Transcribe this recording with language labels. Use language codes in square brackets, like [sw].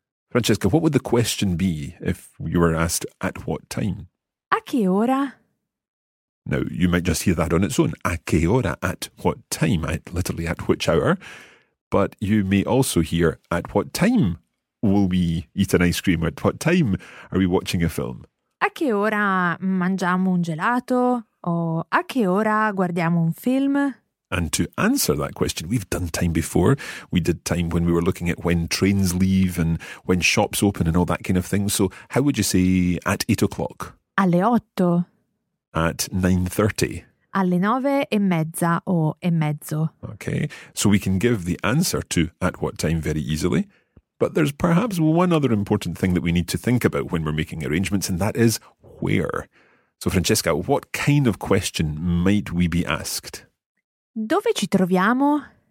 [en] Francesca, what would the question be if you were asked at what time? [it] A che ora? [en] Now, you might just hear that on its own. [it] A che ora? [en] At what time? Literally, at which hour? But you may also hear, at what time will we eat an ice cream? At what time are we watching a film? [it] A che ora mangiamo un gelato? O a che ora guardiamo un film? [en] And to answer that question, we've done time before. We did time when we were looking at when trains leave and when shops open and all that kind of thing. So how would you say at 8 o'clock? [it] Alle otto. [en] At 9:30. [it] Alle nove e mezza o e mezzo. [en] Okay, so we can give the answer to at what time very easily. But there's perhaps one other important thing that we need to think about when we're making arrangements, and that is where. So Francesca, what kind of question might we be asked? [it] Dove ci troviamo?